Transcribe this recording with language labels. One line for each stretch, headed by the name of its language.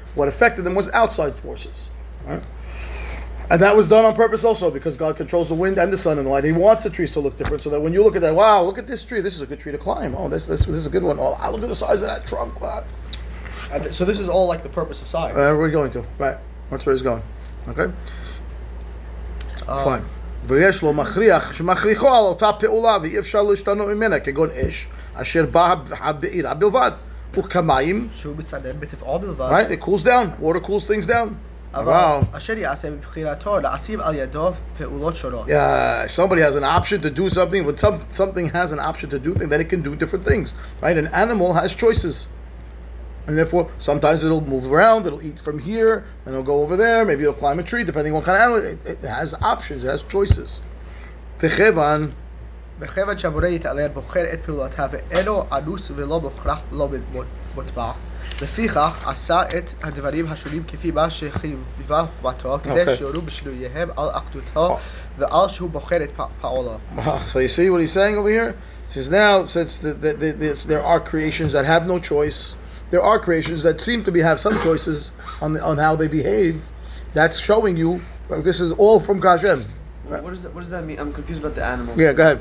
English: What affected them was outside forces. Right. And that was done on purpose also, because God controls the wind and the sun and the light. He wants the trees to look different so that when you look at that, wow, look at this tree. This is a good tree to climb. Oh, this is a good one. Oh, look at the size of that trunk. Wow. So this is all like the purpose of science. We're going to. Right. That's where he's going. Okay? Fine.
Hebrew: ויש לו מכריח שמכריחו על אותה פעולה ואי אפשר להשתנות ממנה כגון אש אשר בא הבעירה בלבד וכמיים שהוא מצדן בטבעו בלבד.
English: Right? It cools down. Water cools things down.
Hebrew: אבל אשר יעשה בבחירתו לעשיב על ידו פעולות שונות.
English: Yeah, somebody has an option to do something. When something has an option to do things, then it can do different things. Right? An animal has choices. And therefore, sometimes it'll move around, it'll eat from here, and it'll go over there, maybe it'll climb a tree, depending on what kind of animal. It has options, it has choices.
Hebrew: וכיוון שהבורא יתעלה בוחר את פעולותיו, ואינו אנוס ולא מוכרח לא מוטבע. לפיכך, עשה את הדברים השונים כפי מה שחייבה חובתו, כדי שיורו בשינוייהם על אחדותו, ועל שהוא בוחר את פעולו.
English: So you see what he's saying over here? He says now, since there are creations that have no choice, there are creations that seem to have some choices on how they behave. That's showing you this is all from Gashem. What does that mean? I'm confused about the animals. Yeah, go ahead.